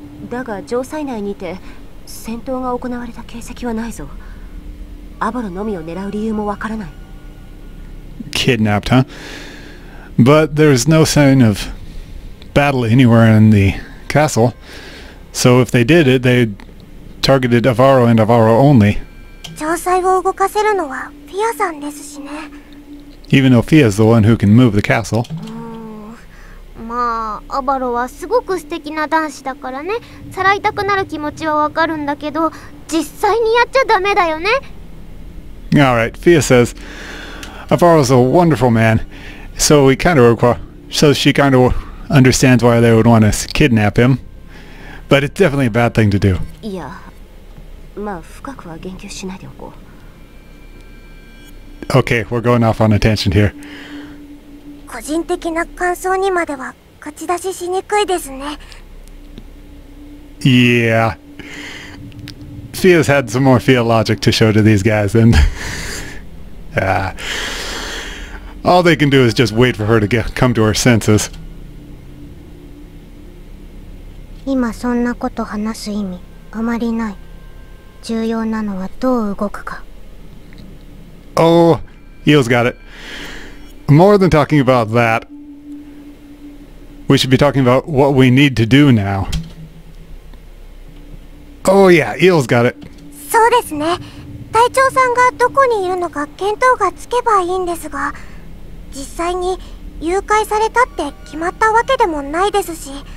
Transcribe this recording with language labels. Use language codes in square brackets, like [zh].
[ja] だが城塞内にて戦闘が行われた形跡はないぞ。アバロのみを狙う理由もわからない。 [en] Kidnapped, huh? But there's no sign of battle anywhere in the castle. So if they did it, they targeted Avaro and Avaro only. [ja] 城塞を動かせるのはフィアさんですしね。 [en] Even though Fia's the one who can move the castle. [ja] まあ、アバロはすごく素敵な男子だからね。さらいたくなる気持ちはわかるんだけど、実際にやっちゃダメだよね。 [en] All right, Fia says, Avaro's a wonderful man, so she kind of understands why they would want to kidnap him. But it's definitely a bad thing to do. [ja] いや、まあ、深くは言及しないでおこう。 [en] Okay, we're going off on a tangent here. [ja] 個人的な感想にまでは口出ししにくいですね。 [en] Yeah. Fia's had some more Fia logic to show to these guys, and all they can do is just wait for her to come to her senses. [ja] 今そんなこと話す意味あまりない。重要なのはどう動くか。 [en] Oh, Eel's got it. More than talking about that, we should be talking about what we need to do now. Oh yeah, Eel's got it. [ja] そうですね。隊長さんがどこにいるのか見当がつけばいいんですが、実際に誘拐されたって決まったわけでもないですし。